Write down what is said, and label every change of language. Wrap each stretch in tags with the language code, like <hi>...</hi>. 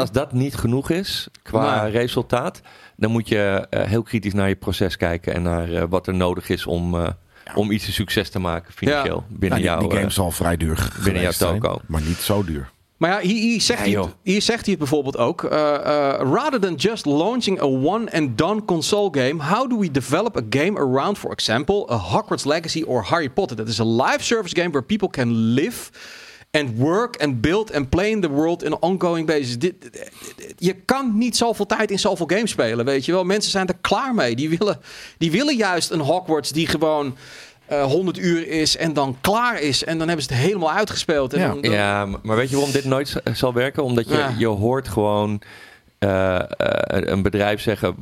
<nl>Als dat niet genoeg is qua resultaat, dan moet je heel kritisch naar je proces kijken en naar wat er nodig is om... om iets een succes te maken financieel binnen jouw... Die game zal vrij duur binnen jouw toko. Maar niet zo duur. Maar ja, hier zegt hij het bijvoorbeeld ook.</nl> <en>Rather than just launching a one-and-done console game... how do we develop a game around, for example... a Hogwarts Legacy or Harry Potter? That is a live service game where people can live... and work and build and play in the world in an ongoing basis.</en> <nl>Je kan niet zoveel tijd in zoveel games spelen, weet je wel. Mensen zijn er klaar mee. Die willen juist een Hogwarts die gewoon 100 uur is en dan klaar is. En dan hebben ze het helemaal uitgespeeld. Maar weet je waarom dit nooit zal werken? Omdat je hoort gewoon een bedrijf zeggen...</nl>